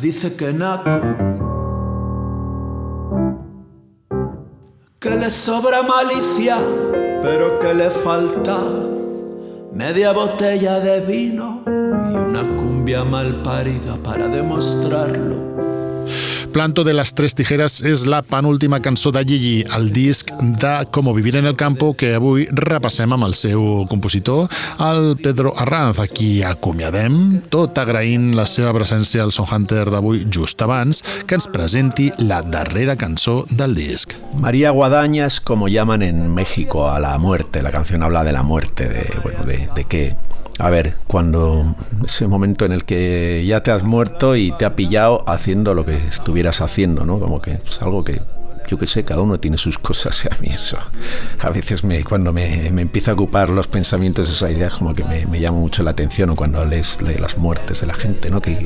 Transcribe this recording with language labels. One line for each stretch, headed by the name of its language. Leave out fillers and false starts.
Spanish: Dice que naco, que le sobra malicia, pero que le falta media botella de vino y una cumbia mal parida para demostrarlo.
Catalan: Planto de las tres tijeras és la penúltima cançó de Gigi, el disc de Como vivir en el campo, que avui repassem amb el seu compositor, el Pedro Arranz, a qui acomiadem, tot agraint la seva presència al Song Hunter d'avui, just abans que ens presenti la darrera cançó del disc.
Spanish: María Guadaña es como llaman en México a la muerte. La canción habla de la muerte, de qué. A ver, cuando ese momento en el que ya te has muerto y te ha pillado haciendo lo que estuvieras haciendo, ¿no? Como que es algo que, yo qué sé, cada uno tiene sus cosas, y a mí eso, a veces cuando me empieza a ocupar los pensamientos, esa idea, como que me llama mucho la atención, o cuando lees de las muertes de la gente, ¿no?